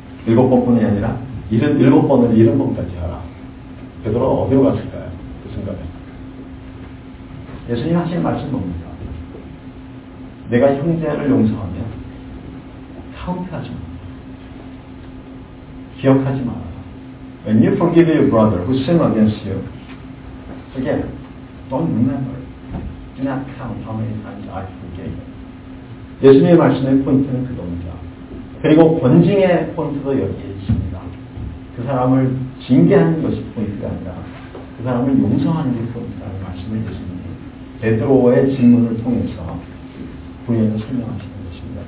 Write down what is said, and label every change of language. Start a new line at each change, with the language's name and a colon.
Korean: 일곱 번뿐이 아니라 일곱 번을 일흔 번까지 하라. 베드로가 어디로 갔을까요? 그 순간에. 예수님 하신 말씀 뭡니까? 내가 형제를 용서하면 카운트하지 마. 기억하지 마.
English: When you forgive your brother who sinned against you, again, don't remember. Do not count how many times I forgave him.
Korean: 예수님의 말씀의 포인트는 그겁니다. 그리고 권징의 포인트도 여기에 있습니다. 그 사람을 징계하는 것이 포인트가 아니라 그 사람을 용서하는 게 포인트라는 말씀을 예수님이 베드로의 질문을 통해서 부인을 설명하시는 것입니다.